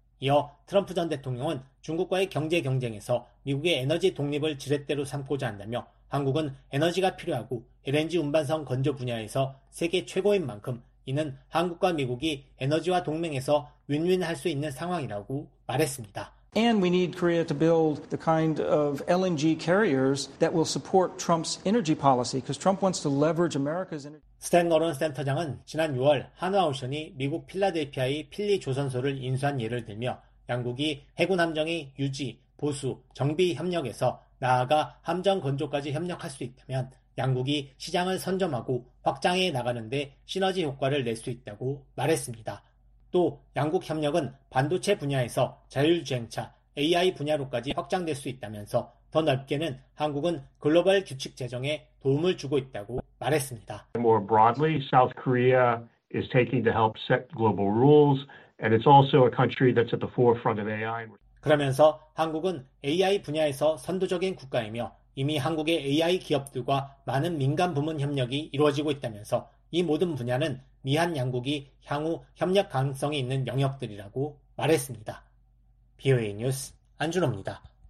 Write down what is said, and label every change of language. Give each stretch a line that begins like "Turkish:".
Korean: 이어 트럼프 전 대통령은 중국과의 경제 경쟁에서 미국의 에너지 독립을 지렛대로 삼고자 한다며 한국은 에너지가 필요하고 LNG 운반선 건조 분야에서 세계 최고인 만큼 이는 한국과 미국이 에너지와 동맹에서 윈윈할 수 있는 상황이라고 말했습니다.
English: And we need Korea to build the kind of LNG carriers that will support Trump's energy policy because Trump wants to leverage America's energy.
Korean: 스탠 어런 센터장은 지난 6월 한화오션이 미국 필라델피아의 필리 조선소를 인수한 예를 들며 양국이 해군 함정의 유지, 보수, 정비 협력에서 나아가 함정 건조까지 협력할 수 있다면 양국이 시장을 선점하고 확장해 나가는 데 시너지 효과를 낼 수 있다고 말했습니다. 또 양국 협력은 반도체 분야에서 자율주행차, AI 분야로까지 확장될 수 있다면서 더 넓게는 한국은 글로벌 규칙 제정에 도움을 주고 있다고 말했습니다.
English: More broadly, South Korea is taking to help set global rules, and it's also a country that's at the forefront of AI.
Korean: 그러면서 한국은 AI 분야에서 선도적인 국가이며 이미 한국의 AI 기업들과 많은 민간 부문 협력이 이루어지고 있다면서 이 모든 분야는 미한 양국이 향후 협력 가능성이 있는 영역들이라고 말했습니다. BOA 뉴스 안준호입니다.